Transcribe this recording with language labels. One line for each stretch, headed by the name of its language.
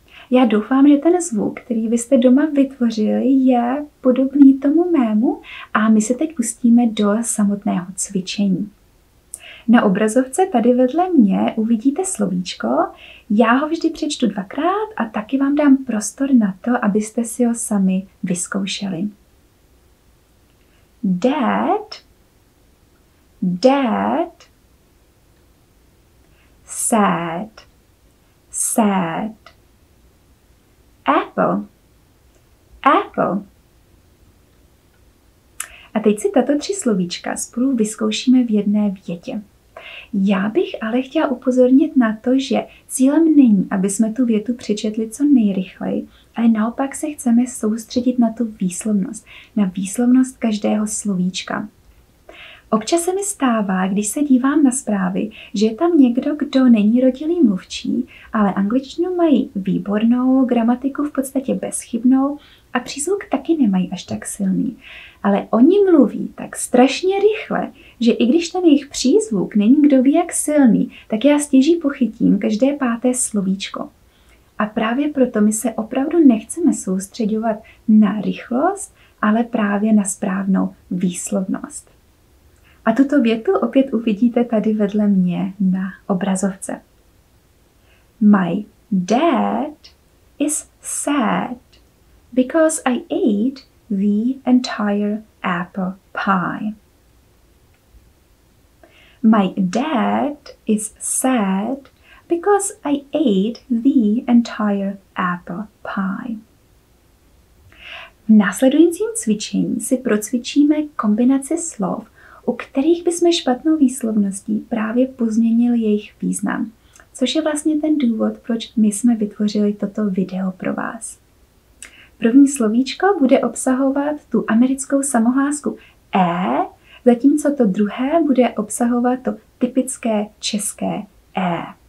Czech: Já doufám, že ten zvuk, který vy jste doma vytvořili, je podobný tomu mému a my se teď pustíme do samotného cvičení. Na obrazovce tady vedle mě uvidíte slovíčko, já ho vždy přečtu dvakrát a taky vám dám prostor na to, abyste si ho sami vyzkoušeli.
English: Dad, dad, sad, sad, apple, apple.
Czech: A teď si tato tři slovíčka spolu vyzkoušíme v jedné větě. Já bych ale chtěla upozornit na to, že cílem není, aby jsme tu větu přečetli co nejrychleji, ale naopak se chceme soustředit na tu výslovnost, na výslovnost každého slovíčka. Občas se mi stává, když se dívám na zprávy, že je tam někdo, kdo není rodilý mluvčí, ale angličtinu mají výbornou, gramatiku v podstatě bezchybnou a přízvuk taky nemají až tak silný. Ale oni mluví tak strašně rychle, že i když ten jejich přízvuk není kdo ví jak silný, tak já stěží pochytím každé páté slovíčko. A právě proto my se opravdu nechceme soustředovat na rychlost, ale právě na správnou výslovnost. A tuto větu opět uvidíte tady vedle mě na obrazovce.
English: My dad is sad because I ate the entire apple pie. My dad is sad because I ate the entire apple pie.
Czech: V následujícím cvičení si procvičíme kombinaci slov, u kterých bychom špatnou výslovností právě pozměnili jejich význam, což je vlastně ten důvod, proč my jsme vytvořili toto video pro vás. První slovíčko bude obsahovat tu americkou samohlásku e, zatímco to druhé bude obsahovat to typické české e.